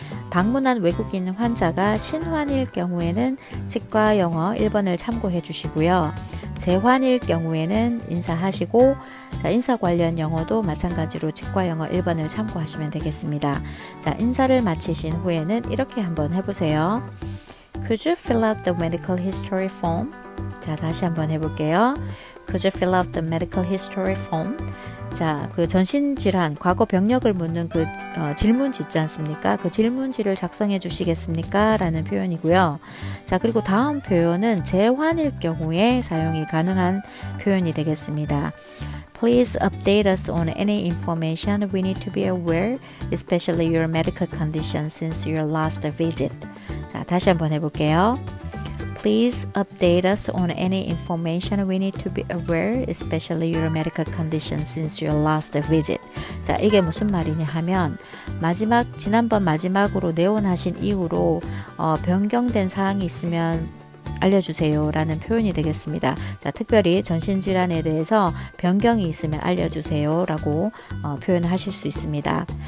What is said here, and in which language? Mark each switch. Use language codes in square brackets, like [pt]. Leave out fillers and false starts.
[ko] 방문한 외국인 환자가 신환일 경우에는 치과 영어 1번을 참고해 주시고요. 재환일 경우에는 인사하시고, 자, 인사 관련 영어도 마찬가지로 치과 영어 1번을 참고하시면 되겠습니다. 자, 인사를 마치신 후에는 이렇게 한번 해보세요. [en] Could you fill out the medical history form? [ko] 자, 다시 한번 해볼게요. [en] Could you fill out the medical history form? [ko] 자, 그 전신질환, 과거 병력을 묻는 그 질문지 있지 않습니까? 그 질문지를 작성해 주시겠습니까? 라는 표현이고요. 자, 그리고 다음 표현은 재환일 경우에 사용이 가능한 표현이 되겠습니다. [en] Please update us on any information we need to be aware, especially your medical condition since your last visit. [ko] 자, 다시 한번 해볼게요. [en] Please update us on any information we need to be aware, especially your medical condition since your last visit. [ko] 자, 이게 무슨 말이냐 하면 지난번 마지막으로 내원하신 이후로 변경된 사항이 있으면 알려주세요 라는 표현이 되겠습니다. 자, 특별히 전신질환에 대해서 변경이 있으면 알려주세요 라고 표현하실 수 있습니다.